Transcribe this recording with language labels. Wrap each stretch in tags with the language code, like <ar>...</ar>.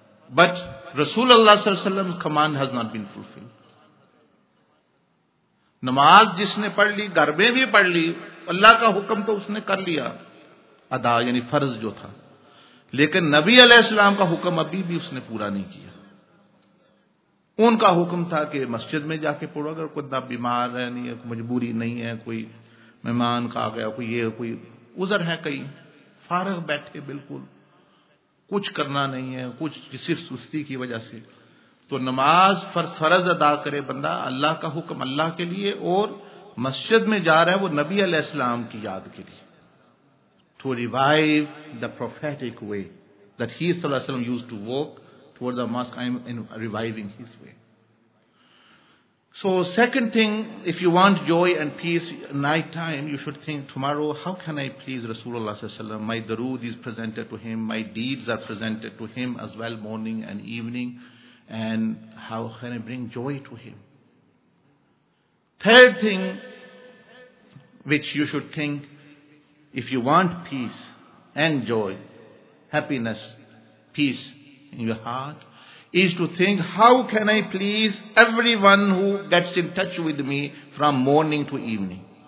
<en>But Rasulullah sallallahu alaihi wasallam's command has not been fulfilled.</en> <ur>نماز جس نے پڑھ لی گھر میں بھی پڑھ لی اللہ کا حکم تو اس نے کر لیا ادا یعنی فرض جو تھا لیکن نبی علیہ السلام کا حکم ابھی بھی اس نے پورا نہیں کیا ان کا حکم تھا کہ مسجد میں جا کے پڑھو اگر کوئی نہ بیمار ہے نہیں ہے مجبوری نہیں ہے کوئی مہمان کا آ گیا کوئی یہ کوئی عذر ہے کہیں فارغ بیٹھے بالکل کچھ کرنا نہیں ہے کچھ صرف سستی کی وجہ سے تو نماز فرض ادا کرے بندہ اللہ کا حکم اللہ کے لیے اور مسجد میں جا رہا ہے وہ نبی علیہ السلام کی یاد کے لیے</ur> <en>to revive the prophetic way that he صلی اللہ علیہ وسلم used to walk toward the mosque I am in reviving his way so second thing if you want joy and peace night time you should think tomorrow how can I please Rasulullah صلی اللہ علیہ وسلم my darood is presented to him my deeds are presented to him as well morning and evening And how can I bring joy to him? Third thing which you should think, if you want peace and joy, happiness, peace in your heart, is to think, how can I please everyone who gets in touch with me from morning to evening?</en>